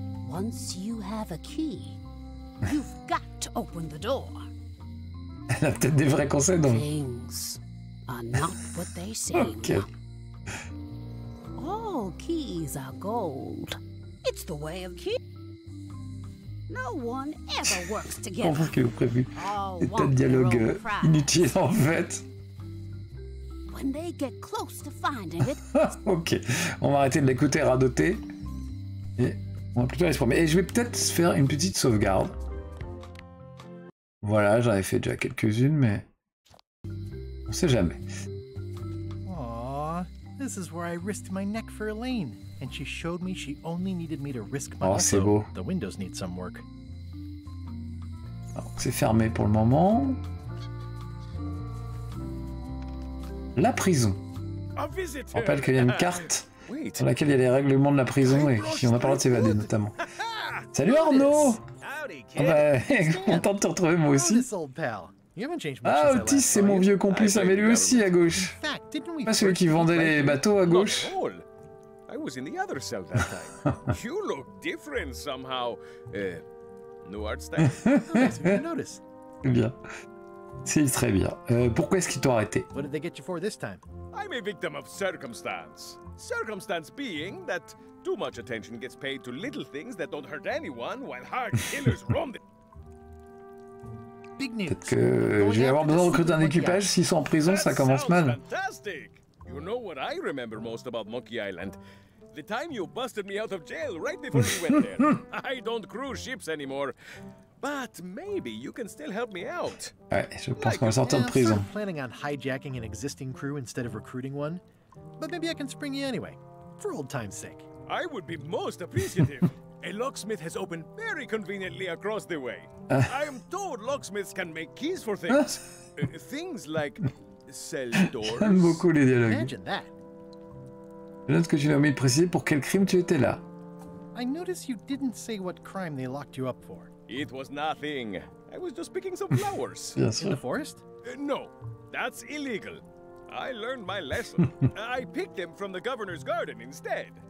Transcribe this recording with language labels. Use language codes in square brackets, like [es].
[en] Once you have a key, you've got to open the door. [fr] Elle a peut-être des vrais conseils, donc. [en] Things are not what they seem. Okay. All keys are gold. It's the way of key. No one ever works together. [fr] Enfin, que vous prévu. Des tas de dialogues inutiles, en fait. [en] When they get close to finding it. [fr] Ok. On va arrêter de l'écouter radoter. Et on va plutôt aller se promener. Et je vais peut-être faire une petite sauvegarde. Voilà, j'en ai fait déjà quelques-unes, mais on sait jamais. [en] Aww, this is where I risked my neck for Elaine, and she showed me she only needed me to risk my neck. [fr] Oh, c'est beau. [en] The windows need some work. [fr] Alors, c'est fermé pour le moment. La prison. On rappelle qu'il y a une carte dans laquelle il y a les règlements de la prison et qui on a parlé de s'évader notamment. Salut Arnaud. Oh bah, content de te retrouver moi aussi. Ah Otis, c'est mon vieux complice, ah, mais lui aussi à gauche. Pas celui qui vendait les bateaux à gauche. [en] I was in the other cell that time. You look different somehow. New art style. [fr] Bien. C'est très bien. Pourquoi est-ce qu'ils t'ont arrêté? [en] What did they get you for this time? I'm a victim of circumstance. Circumstance being that too much attention gets paid to little things that don't hurt anyone while hard killers roam the... Big news. [fr] Peut-être que je vais avoir besoin de recruter un équipage. S'ils sont en prison, [en] that [fr] ça commence mal. [en] Fantastic. You know what I remember most about Monkey Island? The time you busted me out of jail right before you went there. I don't cruise ships anymore. But maybe you can still help me out. [fr] Ouais, je pense qu'on va sortir de prison. [en] I'm planning on hijacking an existing crew instead of recruiting one. But maybe I can spring you anyway, for old time's sake. I would be most appreciative. A locksmith has opened very conveniently across the way. I'm told locksmiths can make keys for things. things like cell doors. [fr] J'aime beaucoup les dialogues. [en] Imagine that. [fr] Je note que tu n'as pas précisé pour quel crime tu étais là. [en] I noticed you didn't say what crime they locked you up for. It was nothing. I was just picking some flowers. [fr] Bien sûr. [en] In the forest? No, that's illegal. I learned my lesson. I picked them from the governor's garden instead.